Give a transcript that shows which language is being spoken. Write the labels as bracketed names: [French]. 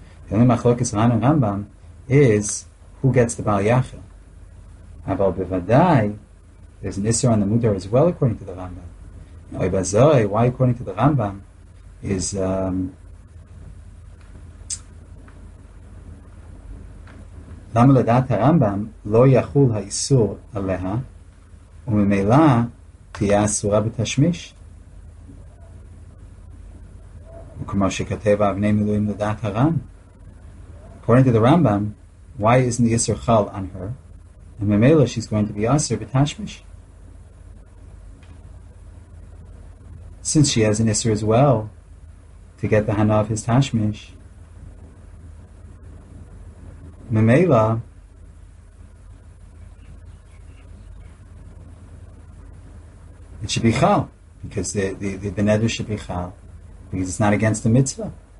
[English] The only מחלוקת רן הרמב״ם is who gets the Baal Yachel. [Hebrew] אבל בוודאי, [English] there's an Isser on the Mudar as well according to the Rambam. Why according to the Rambam is... [Hebrew] למה לדעת הרמב״ם לא יחול האיסור עליה וממילא תהיה אסורה בתשמיש? וכמו שכתב אבני מילואים לדעת הרם. [English] According to the Rambam, why isn't the Isser chal on her? And ממילא she's going to be Isser בתשמיש. Since she has an Isser as well to get the hana of his tashmish, Memela, it should be chal, because the neder should be chal, because it's not against the mitzvah.